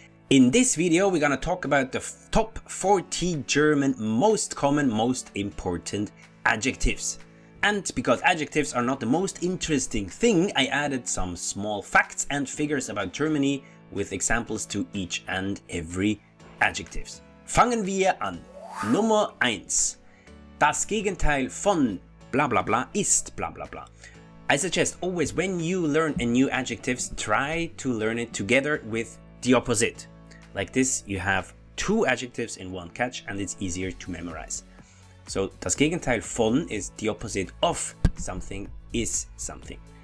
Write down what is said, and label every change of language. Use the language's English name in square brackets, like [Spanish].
[English] In this video, we're gonna talk about the top 40 German most common, most important adjectives. And because adjectives are not the most interesting thing, I added some small facts and figures about Germany with examples to each and every adjectives. [German] Fangen wir an. Nummer 1. Das Gegenteil von bla bla bla ist bla bla bla. [English] I suggest always when you learn a new adjective, try to learn it together with the opposite. Like this, you have two adjectives in one catch and it's easier to memorize. So, [German] das Gegenteil von [English] is the opposite of something is something.